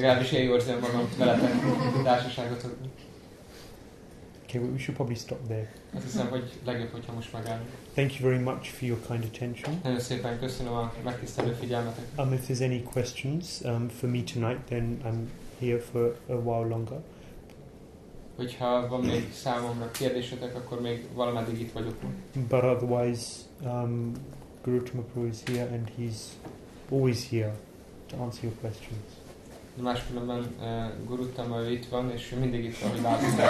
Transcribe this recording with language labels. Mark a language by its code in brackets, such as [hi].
[hu] Legalábbis én jól érzem magam veletek a társaságotokban. [en] Okay, we should probably stop there. [hu] Azt hiszem, hogy legjobb, hogyha most megállunk. [en] Thank you very much for your kind attention. [hu] Nagyon szépen köszönöm a megtisztelő figyelmeteket. [en] If there's any questions for me tonight, then I'm here for a while longer. [hu] Hogyha van még számomra kérdésetek, akkor még valameddig itt vagyok. [en] But otherwise, Guru Tumapuru is here, and he's always here to answer your questions. [hu] Máskülönben Guru Tumapuru itt van, és mindig itt van, hogy látom.